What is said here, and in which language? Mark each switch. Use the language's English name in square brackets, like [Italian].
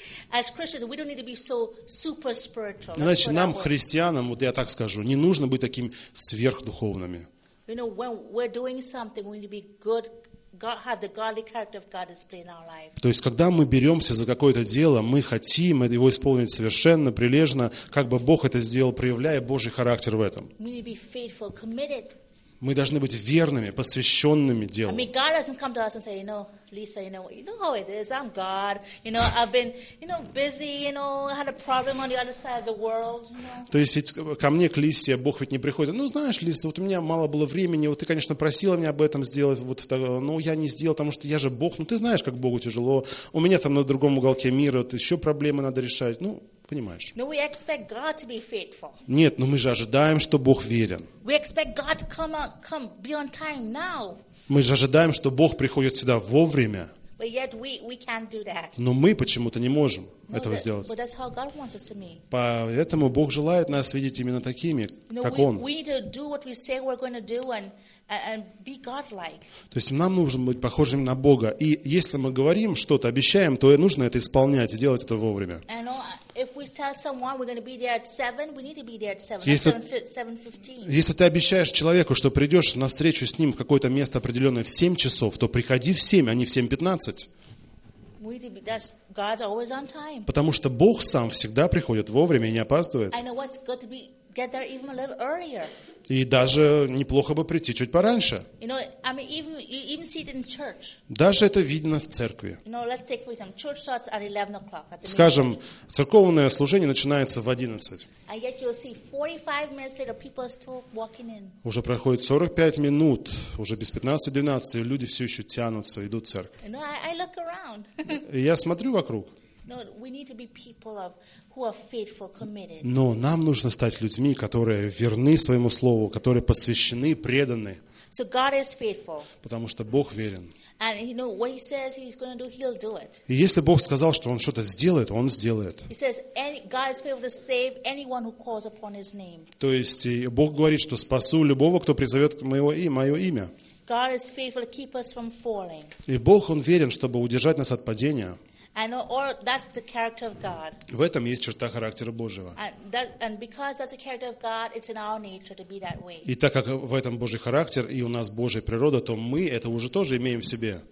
[English] As Christians, we don't need to be so super spiritual. [Russian] Значит, нам христианам, вот я так скажу, не нужно быть такими сверхдуховными. [English] You know, when we're doing something, we need to be good. God have the godly character of God displayed in our life. [Russian] То есть, когда мы беремся за какое-то дело, мы хотим его исполнить совершенно, прилежно, как бы Бог это сделал, проявляя Божий характер в этом. [English] We need to be faithful, committed. [Russian] Мы должны быть верными, посвященными делу. [English] I mean, God doesn't come to us and say, you know, Lisa, you know how it is. I'm God. You know, I've been, you know, busy. You know, I had a problem on the other side of the world. [Russian] То есть ведь ко мне, к Лисе, Бог ведь не приходит. Ну, знаешь, Лиса, вот у меня мало было времени. Вот ты, конечно, просила меня об этом сделать. Вот, но я не сделал, потому что я же Бог. Ну, ты знаешь, как Богу тяжело. У меня там на другом уголке мира вот еще проблемы надо решать. Ну, понимаешь. [English] No, we expect God to be faithful. [Russian] Нет, но мы же ожидаем, что Бог верен. [English] We expect God to come out, come be on time now. [Russian] Мы же ожидаем, что Бог приходит сюда вовремя. [English] But yet we can't do that. [Russian] Но мы почему-то не можем этого сделать. [English] But that's how God wants us to be. [Russian] Поэтому Бог желает нас видеть именно такими, как Он. [English] We need to do what we say we're going to do and be God-like. [Russian] То есть нам нужно быть похожими на Бога. И если мы говорим что-то, обещаем, то нужно это исполнять и делать это вовремя. [English] If we tell someone we're going to be there at 7, we need to be there at 7:15. [Russian] Если ты обещаешь человеку, что придешь на встречу с ним в какое-то место определенное в 7 часов, то приходи в 7, а не в 7:15. [English] God's always on time. [Russian] Потому что Бог сам всегда приходит вовремя и не опаздывает. [English] I know it's good to be get there even a little earlier. [Russian] И даже неплохо бы прийти чуть пораньше. [English] You know, I mean, even see it in church. [Russian] Даже это видно в церкви. [English] You know, let's take for example, church starts at 11:00. [Russian] Скажем, церковное служение начинается в 11:00. [English] And yet you'll see 45 minutes later, people are still walking in. [Russian] Уже проходит 45 минут, уже без 11:15, и люди все еще тянутся, идут в церковь. [English] You know, I look around. [Russian] Я смотрю вокруг. [English] No, we need to be people of who are faithful, committed. [Russian] Но нам нужно стать людьми, которые верны своему слову, которые посвящены, преданы. [English] So God is faithful. [Russian] Потому что Бог верен. [English] And you know what He says He's going to do, He'll do it. [Russian] И если Бог сказал, что Он что-то сделает, Он сделает. [English] He says God is faithful to save anyone who calls upon His name. [Russian] То есть Бог говорит, что спасу любого, кто призовет мое имя. [English] God is faithful to keep us from falling. [Russian] И Бог, Он верен, чтобы удержать нас от падения. [English] And or that's the character of God. [Russian] В этом есть черта характера Божьего. [English] And because that's the character of God, it's in our nature to be that way. [Russian] И так как в этом Божий характер и у нас Божья природа, то мы это уже тоже имеем в себе.